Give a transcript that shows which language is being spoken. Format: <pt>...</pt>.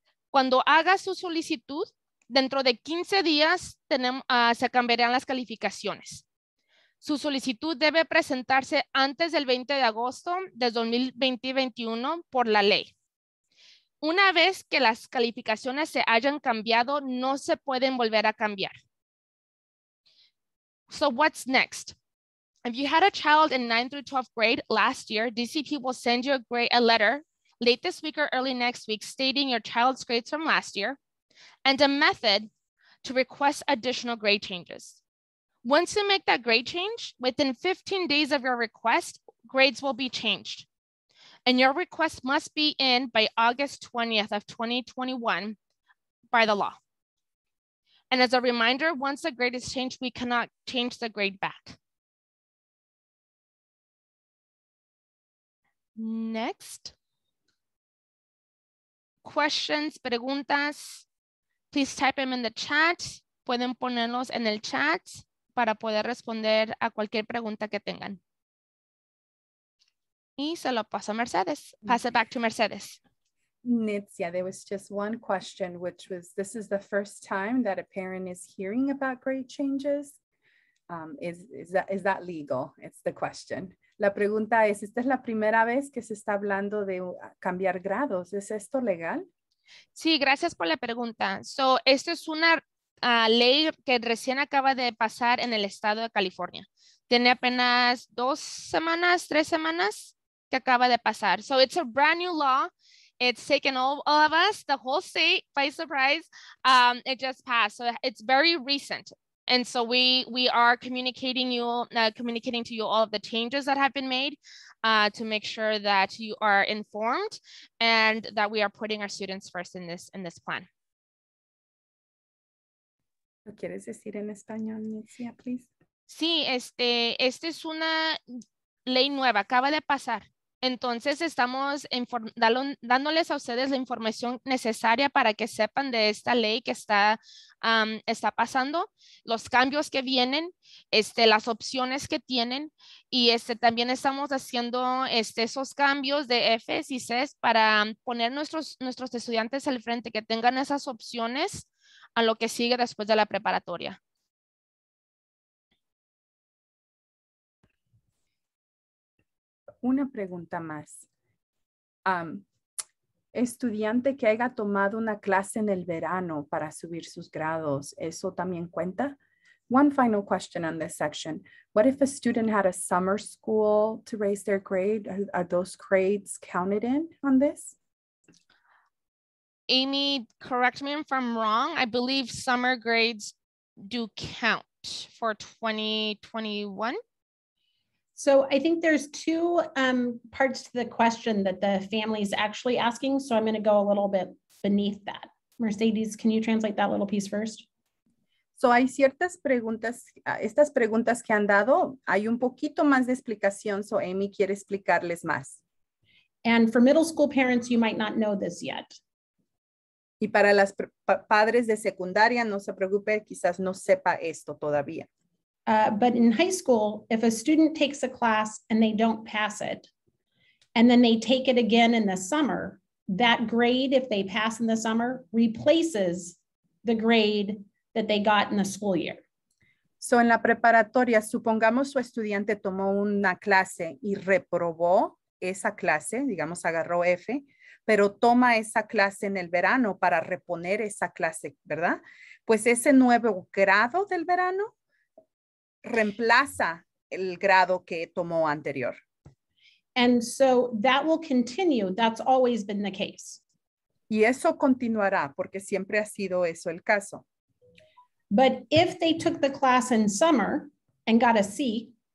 <es>Cuando haga su solicitud, dentro de 15 días se cambiarán las calificaciones. Su solicitud debe presentarse antes del 20 de agosto de 2021 por la ley. Una vez que las calificaciones se hayan cambiado, no se pueden volver a cambiar.</es> <en>So what's next? If you had a child in 9th through 12th grade last year, DCP will send you a letter late this week or early next week stating your child's grades from last year and a method to request additional grade changes. Once you make that grade change, within 15 days of your request, grades will be changed. And your request must be in by August 20th of 2021 by the law. And as a reminder, once the grade is changed, we cannot change the grade back. Next. Questions,</en> <es>preguntas,</es> <en>please type them in the chat.</en> <es>Pueden ponerlos en el chat para poder responder a cualquier pregunta que tengan. Y se lo paso a Mercedes.</es> <en>Pass it back to Mercedes. Nitzia, there was just one question, which was, this is the first time that a parent is hearing about grade changes. Is that legal? It's the question.</en> <es>La pregunta es, ¿esta es la primera vez que se está hablando de cambiar grados? ¿Es esto legal? Sí, gracias por la pregunta. So, esto es una ley que recién acaba de pasar en el estado de California. Tiene apenas 2 semanas, 3 semanas. Que acaba de pasar.</es> <en>So it's a brand new law It's taken all of us, the whole state, by surprise. It just passed. So it's very recent. And so we are communicating to you all of the changes that have been made to make sure that you are informed and that we are putting our students first in this plan.</en> <es>¿Lo quieres decir en español, Nitzia,</es> <en>please?</en> <es>Sí, esta es una ley nueva, acaba de pasar. Entonces estamos dándoles a ustedes la información necesaria para que sepan de esta ley que está pasando, los cambios que vienen, las opciones que tienen y también estamos haciendo esos cambios de Fs y Cs para poner nuestros estudiantes al frente, que tengan esas opciones a lo que sigue después de la preparatoria. Una pregunta más. Estudiante que haya tomado una clase en el verano para subir sus grados, ¿eso también cuenta?</es> <en>One final question on this section. What if a student had a summer school to raise their grade? Are those grades counted in on this? Amy, correct me if I'm wrong. I believe summer grades do count for 2021. So I think there's two parts to the question that the family is actually asking. So I'm going to go a little bit beneath that. Mercedes, can you translate that little piece first?</en> <es>So hay ciertas preguntas, estas preguntas que han dado, hay un poquito más de explicación. So Amy quiere explicarles más.</es> <en>And for middle school parents, you might not know this yet.</en> <es>Y para las padres de secundaria, no se preocupe, quizás no sepa esto todavía.</es> <en>But in high school, if a student takes a class and they don't pass it, and then they take it again in the summer, that grade, if they pass in the summer, replaces the grade that they got in the school year.</en> <es>So en la preparatoria, supongamos su estudiante tomó una clase y reprobó esa clase, digamos, agarró F, pero toma esa clase en el verano para reponer esa clase, ¿verdad? Pues ese nuevo grado del verano reemplaza el grado que tomó anterior.</es> <en>And so that will continue. That's always been the case.</en> <es>Y eso continuará porque siempre ha sido eso el caso.</es> <en>But if they took the class in summer and got a C,</en>